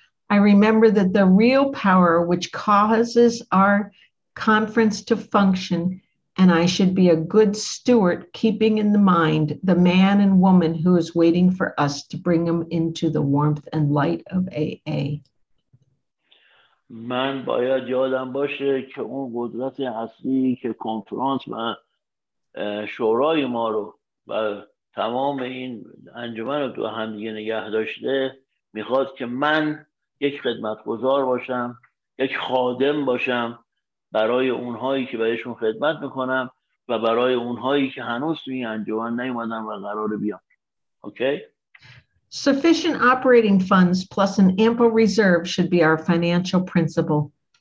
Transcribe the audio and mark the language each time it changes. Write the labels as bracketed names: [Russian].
[English] I remember that the real power which causes our conference to function, and I should be a good steward, keeping in the mind the man and woman who is waiting for us to bring him into the warmth and light of AA. [Persian] من باید یادم باشه که اون قدرت اصلی که کنفرانس و شورای ما رو و تمام این انجمن رو تو هم دیگه نگه داشته، میخواد که من یک خدمتگزار باشم، یک خادم باشم برای اونهایی که بهشون خدمت میکنم و برای اونهایی که هنوز توی انجمن نیومدن و قراره بیان. [English] Okay? Sufficient operating funds plus an ample reserve should be our financial principle.